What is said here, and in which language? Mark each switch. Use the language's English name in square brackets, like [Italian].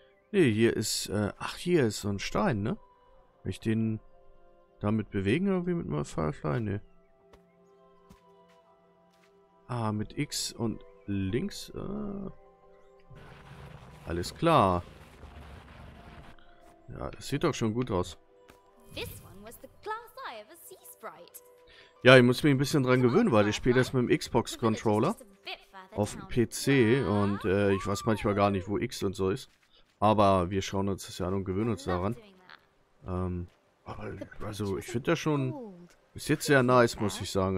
[German] Nee, hier ist... ach, hier ist so ein Stein, ne? Wenn ich den Damit bewegen oder wie mit mal Firefly? Ne. Ah, mit X und links. Alles klar. Ja, das sieht doch schon gut aus. [English] This one was the glass eye of a sea sprite. [German] Ja, ich muss mich ein bisschen dran gewöhnen, weil ich spiele das mit dem Xbox-Controller auf dem PC und ich weiß manchmal gar nicht, wo X und so ist. Aber wir schauen uns das ja an und gewöhnen uns daran. Also ich finde das schon bis jetzt sehr nice, muss ich sagen.